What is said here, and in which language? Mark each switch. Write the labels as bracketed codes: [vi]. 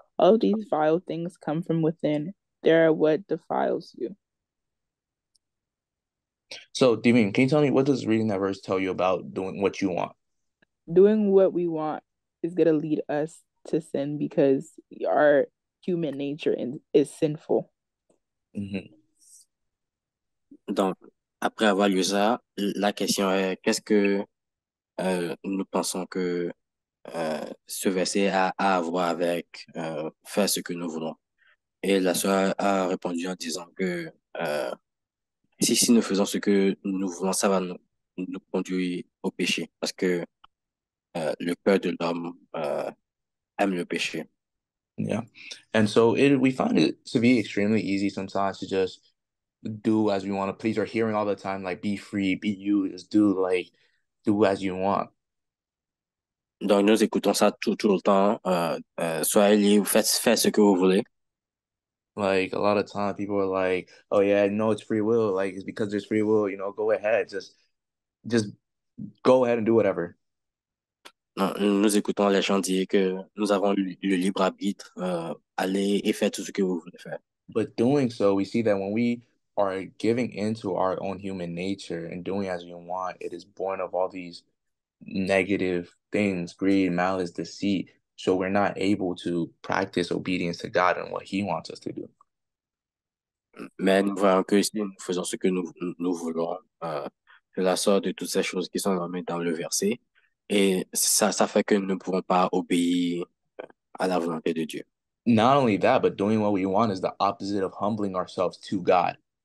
[en] All these vile things come from within. They are what defiles you. So, Dimin, can you tell me, what does reading that verse tell you about doing what you want? Doing what we want is going to lead us to sin because our human nature is sinful. Mm-hmm. [fr] Donc, après avoir lu ça, la question est, qu'est-ce que nous pensons que ce verset a à voir avec faire ce que nous voulons? Et la sœur a répondu en disant que si nous faisons ce que nous voulons, ça va nous conduire au péché parce que le cœur de l'homme aime le péché. [en] Yeah. And so we find it to be extremely easy sometimes to just do as we want to please our hearing all the time, like be free, be you, just do as you want. [fr] Donc nous écoutons ça tout le temps. Soyez libre, faites ce que vous voulez. [en] Like a lot of times people are like, oh yeah, no, it's free will. Like it's because there's free will, you know, go ahead. Just go ahead and do whatever. [fr] Nous écoutons les gens dire que nous avons le libre arbitre, allez et faites tout ce que vous voulez faire. [en] But doing so, we see that when we are giving into our own human nature and doing as we want, it is born of all these negative things, greed, malice, deceit. So we're not able to practice obedience to God and what he wants us to do. [fr] Mais nous voyons que si nous faisons ce que nous voulons, la somme de toutes ces choses qui sont nommées dans le verset. Et ça fait que nous ne pouvons pas obéir à la volonté de Dieu. [en] Not only that, but doing what we want is the opposite of humbling ourselves to God.